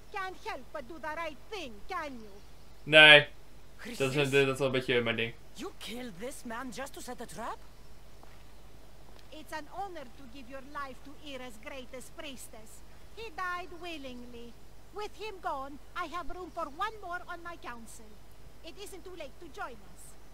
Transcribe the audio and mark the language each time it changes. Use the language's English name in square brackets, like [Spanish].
[English] Can't help but do the right thing, can you? [Dutch] Nee, dat is wel een beetje mijn ding. [English] You killed this man just to set a trap? It's an honor to give your life to Ira's greatest priestess. He died willingly. With him gone, I have room for one more on my council. It isn't too late to join us.